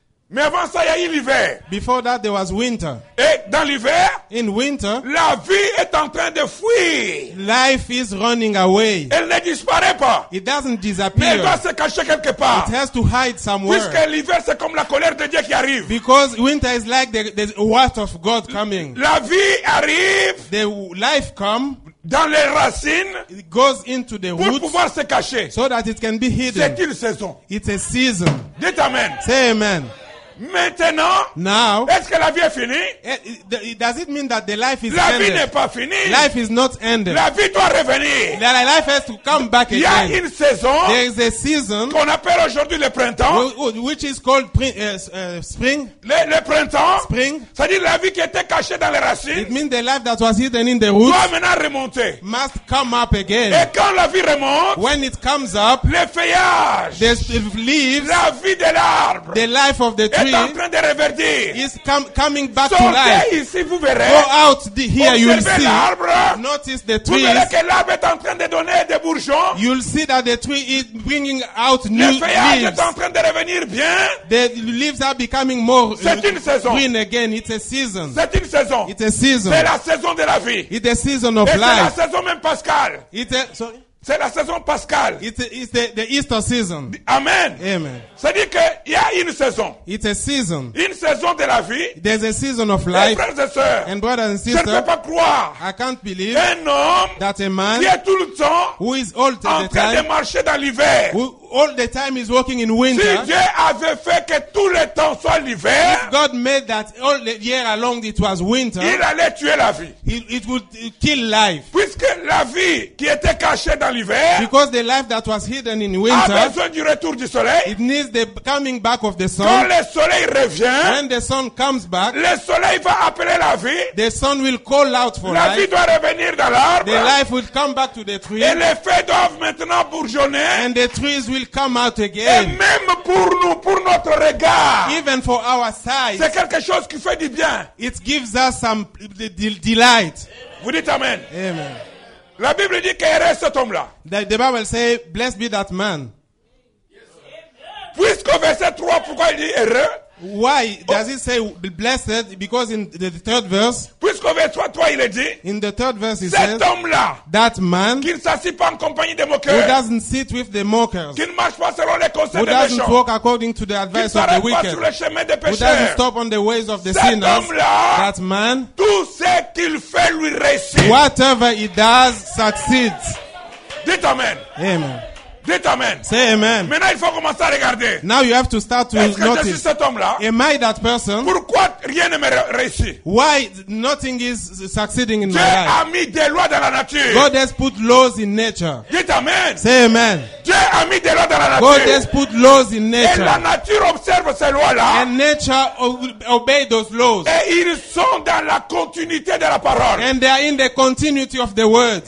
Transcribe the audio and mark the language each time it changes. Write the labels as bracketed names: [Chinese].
[French] Mais avant ça, il y a eu l'hiver. [English] Before that, there was winter. [French] Et dans l'hiver, [English] in winter, [French] la vie est en train de fuir. [English] Life is running away. [French] Elle ne disparaît pas. [English] It doesn't disappear. [French] Mais elle doit se cacher quelque part. [English] It has to hide somewhere. [French] Puisque l'hiver, c'est comme la colère de Dieu qui arrive. [English] Because winter is like the wrath of God coming. [French] La vie arrive. [English] The life comes. [French] Dans les racines. [English] It goes into the [French] pour [English] roots. [French] Pour pouvoir se cacher. [English] So that it can be hidden. [French] C'est une saison. [English] It's a season. [French] Dites amen. [English] Say amen. [French] Maintenant, [English] now, [French] est-ce que la vie est finie? [English] Does it mean that the life is [French] la [English] ended? [French] Vie n'est pas finie. [English] Life is not ended. [French] La vie doit revenir. [English] The life has to come back [French] y a [English] again. [French] Une saison. [English] There is a season [French] qu'on appelle aujourd'hui le printemps, [English] which is called spring. [French] Le printemps, [English] spring. [French] Ça dit la vie qui était cachée dans les racines. [English] It means the life that was hidden in the roots. [French] Doit maintenant remonter. [English] Must come up again. [French] Et quand la vie remonte, [English] when it comes up, [French] le feuillage, [English] the leaves, [French] la vie de l'arbre, [English] the life of the tree. [French] Est en train de revertir. [English] Is coming back. [French] Sortez [English] to life. [French] Ici, vous verrez. [English] Go out the, here, [French] vous [English] you'll see. [French] L'arbre. [English] Notice the trees. [French] Vous verrez que l'arbre est en train de donner des bourgeons. [English] You'll see that the tree is bringing out new leaves. [French] Le feuillage est en train de revenir bien. [English] The leaves are becoming more. [French] C'est une saison. [English] Green again. It's a season. [French] C'est une saison. [English] It's a season. [French] C'est la saison de la vie. [English] It's a season of [French] Et [English] life. [French] Et c'est la saison même Pascal. C'est la saison pascale. [English] It's the Easter season. [French] Amen. [English] Amen. [French] Ça dit que il y a une saison. [English] It's a season. [French] Une saison de la vie. [English] There's a season of life. [French] Frères et sœurs. [English] And brothers and sisters. [French] Je ne peux pas croire. [English] I can't believe. [French] Un homme. [English] That a man. [French] Qui est tout le temps. [English] Who is all the time. [French] En train de marcher dans l'hiver. [English] All the time is walking in winter. [French] Si Dieu avait fait que tout le temps soit l'hiver. [English] If God made that all the year along it was winter. [French] Il allait tuer la vie. [English] It would kill life. [French] Puisque la vie qui était cachée dans l'hiver. [English] Because the life that was hidden in winter. [French] A besoin du retour du soleil. [English] It needs the coming back of the sun. [French] Quand le soleil revient. [English] When the sun comes back. [French] Le soleil va appeler la vie. [English] The sun will call out for [French] la [English] life. [French] La vie doit revenir dans l'arbre. [English] The life will come back to the tree. [French] Et les feuilles doivent maintenant bourgeonner. [English] And the trees will come out again. [French] Et même pour nous, pour notre regard. [English] Even for our sight. [French] C'est quelque chose qui fait du bien. [English] It gives us some delight. [French] Amen. Vous dites amen. [English] Amen. [French] La Bible dit qu'heureux cet homme-là. [English] The Bible says, blessed be that man. [French] Yes, puisqu'au verset 3, pourquoi il dit heureux? [English] Why does it say blessed? Because in the third verse. [French] Puisqu'au verset 3, il est dit. [English] In the third verse, he [French] cet [English] says. [French] Cet homme-là. [English] That man. [French] Qui ne s'assied pas en compagnie des moqueurs. [English] Who doesn't sit with the mockers. [French] Qui ne marche pas selon les conseils des méchants. [English] Who doesn't walk according to the advice of the wicked. [French] Qui ne s'arrête pas sur le chemin des pécheurs. [English] Who doesn't stop on the ways of the sinners. [French] Cet homme-là. [English] That man. [French] Tout ce qu'il fait lui réussit. [English] Whatever he does succeeds. [French] Dites amen. [English] Amen. [French] Dites amen. [English] Say amen. [French] Maintenant, il faut commencer à regarder. [English] Now you have to start to [French] Est-ce que [English] notice. [French] Je suis cet homme-là? [English] Am I that person? [French] Pourquoi rien ne me réussit? [English] Why nothing is succeeding in [French] Dieu [English] my life? [French] A mis des lois dans la nature. [English] God has put laws in nature. [French] dites amen. [English] Say amen. [French] Dieu a mis des lois dans la nature. [English] God has put laws in nature. [French] Et la nature observe ces lois-là. [English] And nature obey those laws. [French] Et ils sont dans la continuité de la parole. [English] And they are in the continuity of the word.